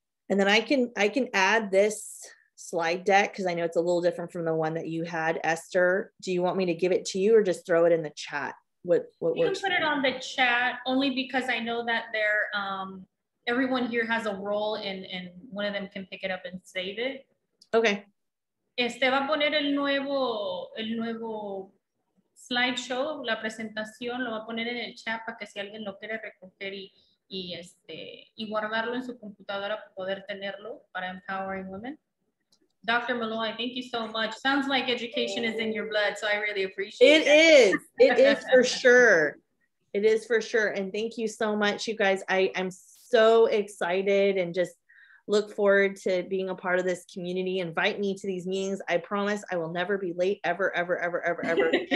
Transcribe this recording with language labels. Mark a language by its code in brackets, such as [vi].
[en] And then I can add this slide deck because I know it's a little different from the one that you had, Esther. Do you want me to give it to you or just throw it in the chat? What you can put it on the chat only because I know that there everyone here has a role and one of them can pick it up and save it. Okay. [es] Va a poner el nuevo slideshow, la presentación, lo va a poner en el chat para que si alguien lo quiere recoger y guardarlo en su computadora para poder tenerlo para Empowering Women. [en] Dr. Maloy, thank you so much. Sounds like education is in your blood, so I really appreciate it. It is for sure. It is for sure. And thank you so much, you guys. I'm so excited and just look forward to being a part of this community. Invite me to these meetings. I promise I will never be late ever, ever, ever, ever, ever.